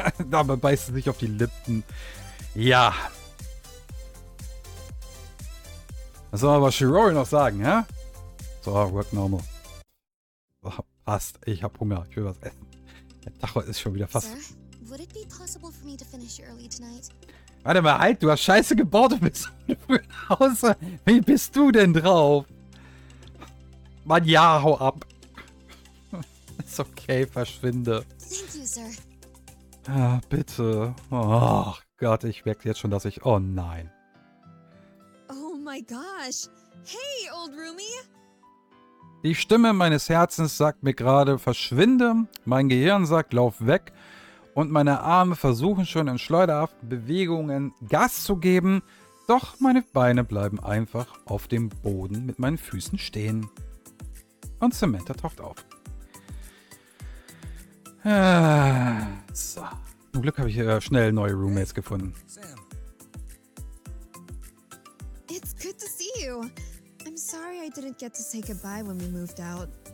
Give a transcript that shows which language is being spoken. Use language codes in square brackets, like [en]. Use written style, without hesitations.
[de] Dabei beißt sie sich auf die Lippen. Ja. Was soll aber Shiruri noch sagen, hä? [en] So, work normal. [de] Oh, passt, ich hab Hunger, ich will was essen. Der Tacho ist schon wieder fast. [en] Would it be possible for me to finish early tonight? [de] Warte mal, halt, du hast Scheiße gebaut, du bist früh nach Hause. Wie bist du denn drauf? Mann, ja, hau ab. Ist okay, verschwinde. [en] Thank you, sir. [de] Ah, bitte. Oh. Gott, ich merke jetzt schon, dass ich... Oh nein. [en] Oh my gosh. Hey, old roomie. [de] Die Stimme meines Herzens sagt mir gerade, verschwinde. Mein Gehirn sagt, lauf weg. Und meine Arme versuchen schon in schleuderhaften Bewegungen Gas zu geben. Doch meine Beine bleiben einfach auf dem Boden mit meinen Füßen stehen. Und Samantha taucht auf. So. Zum Glück habe ich schnell neue Roommates gefunden. Sam. [en] It's good to see you. I'm sorry I didn't get to say goodbye when we moved out.